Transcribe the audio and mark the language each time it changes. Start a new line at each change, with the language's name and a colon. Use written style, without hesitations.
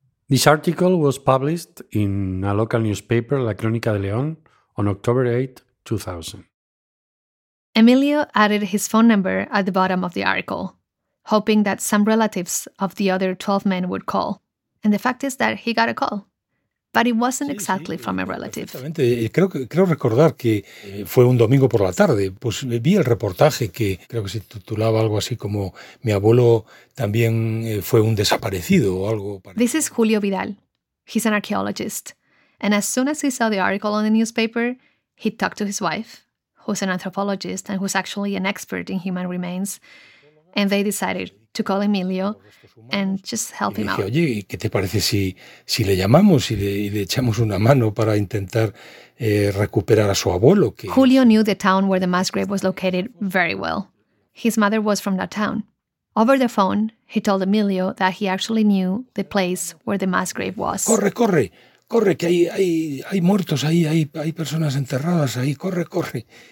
English: This article was published in a local newspaper, La Crónica de León, on October 8, 2000. Emilio added his phone number at the bottom of the article, hoping that some relatives of the other 12 men would call. And the fact is that he got a call. But it wasn't exactly from a relative.
Spanish: Creo recordar que fue un domingo por la tarde. Pues vi el reportaje que creo que se titulaba algo así como Mi abuelo también fue un desaparecido o algo.
English: This is Julio Vidal. He's an archaeologist. And as soon as he saw the article on the newspaper, he talked to his wife, who's an anthropologist and who's actually an expert in human remains. And they decided to call Emilio and just help him out.
Spanish: Dije, oye, ¿qué te parece si le llamamos y le echamos una mano para intentar recuperar a su abuelo?
English: Julio knew the town where the mass grave was located very well. His mother was from that town. Over the phone, he told Emilio that he actually knew the place where the mass grave was.
Spanish: Corre, que hay muertos ahí, hay personas enterradas ahí, corre.